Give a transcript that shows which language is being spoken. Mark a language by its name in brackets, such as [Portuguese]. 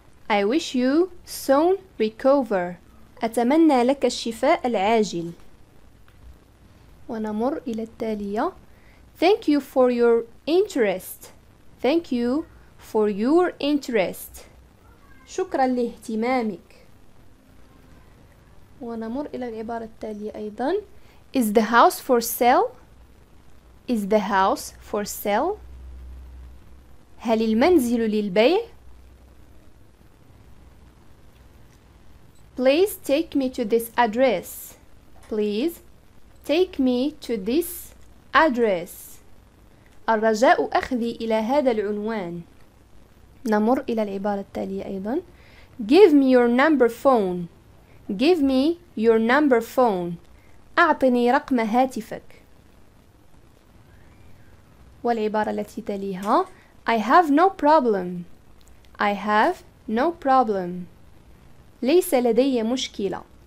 [English] I wish you soon recover. [Arabic] أتمنى لك الشفاء العاجل. ونمر إلى التالية [English] Thank you for your interest. Thank you for your interest. [Arabic] شكرا لاهتمامك. ونمر إلى العبارة التالية أيضا [English] Is the house for sale? Is the house for sale? [Arabic] هل المنزل للبيع؟ [English] Please take me to this address. Please take me to this address. [Arabic] الرجاء أخذي إلى هذا العنوان. نمر إلى العبارة التالية أيضا. [English] Give me your number phone. Give me your number phone. [Arabic] أعطني رقم هاتفك. والعبارة التي تليها. [English] I have no problem. I have no problem. [Arabic] ليس لدي مشكلة.